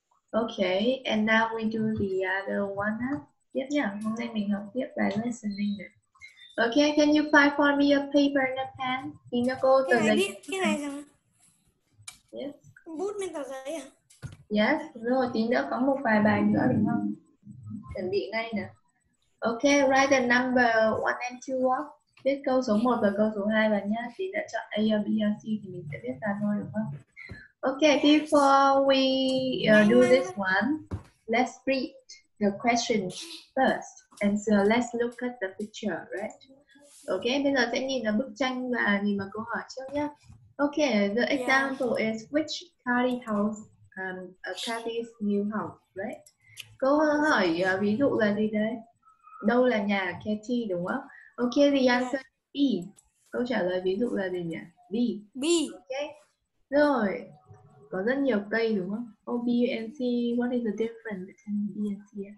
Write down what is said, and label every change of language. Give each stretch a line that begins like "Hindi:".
English: Ok, and now we do the other one.
Vietnamese: Tiếp nhá, hôm nay mình học tiếp bài listening này.
English: Ok, can you find for me a paper and a pen?
Vietnamese: Nhìn cho cô Cái tờ giấy. biết cái này rồi.
English: Yes.
Vietnamese: Bút lên tờ giấy à? Yes, rồi tí nữa có một vài bài nữa đúng không? Chuẩn bị ngay nè.
English: Ok, write the number 1 and 2.
Vietnamese: Viết câu số 1 và câu số 2 vào nhá. Tí nữa chọn A, B, C thì mình sẽ viết ra thôi đúng không?
English: Ok, before we do this one, let's read the question first. And so let's look at the picture, right?
Vietnamese: Ok, bây giờ sẽ nhìn vào bức tranh và nhìn vào câu hỏi trước nhá.
English: Ok, the example is which tiny house a Cathy's new home, right?
Vietnamese: Câu hỏi ví dụ là gì đấy? Đâu là nhà Cathy đúng không?
English: Ok, the answer is B.
Vietnamese: Câu trả lời ví dụ là gì nhỉ? B. B. Ok. Rồi, có rất nhiều cây đúng không?
English: O, B and C, what is the difference between B and C?